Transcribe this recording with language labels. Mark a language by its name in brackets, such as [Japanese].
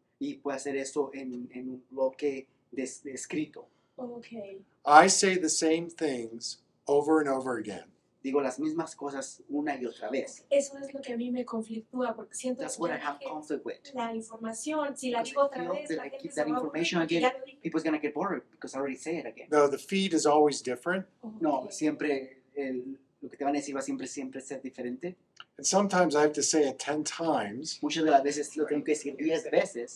[Spanish] y puede hacer eso en un bloque de escrito. [English] Okay. I say the same things over and over again. [Spanish] Digo las mismas cosas una y otra vez. Eso es lo que a mí me conflictúa porque siento [English] that's what I have conflict with. [Spanish] La información, si la digo otra vez, la gente se va a [English] information again, people's gonna get bored because I already say it again. No, the feed is always different. Okay. [Spanish] No, siempre lo que te van a decir va siempre ser diferente. [English] And sometimes I have to say it 10 times. [Spanish] Muchas de las veces lo tengo que decir 10 veces.